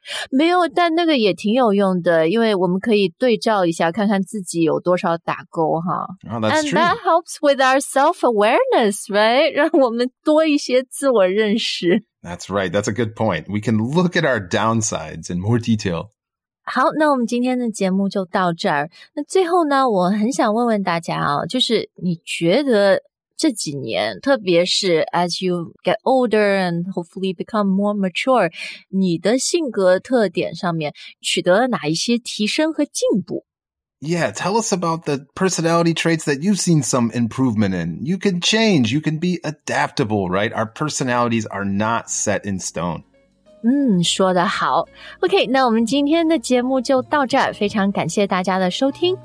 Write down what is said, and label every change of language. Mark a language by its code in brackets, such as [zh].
[zh] 没有,但那个也挺有用的, 因为我们可以对照一下, 看看自己有多少打勾哈。 [en] Oh, that's and true. And that helps with our self-awareness, right? [zh] 让我们多一些自我认识。 [en] That's right. That's a good point. We can look at our downsides in more detail. [zh] 好, 那我们今天的节目就到这儿。那最后呢, 我很想问问大家哦, 就是你觉得 这几年, 特别是 [en] as you get older and hopefully become more mature, [zh] 你的性格特点上面 取得了哪一些提升和进步? [en] Yeah, tell us about the personality traits that you've seen some improvement in. You can change, you can be adaptable, right? Our personalities are not set in stone. [zh] 说得好。 OK, 那我们今天的节目就到这儿, 非常感谢大家的收听。